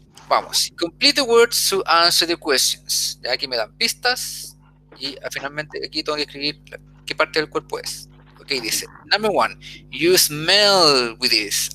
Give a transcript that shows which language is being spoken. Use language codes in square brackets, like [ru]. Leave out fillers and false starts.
[es] Vamos, [en] complete the words to answer the questions. [es] Ya aquí me dan pistas y finalmente aquí tengo que escribir qué parte del cuerpo es. [en] Ok, dice, number one, you smell with this.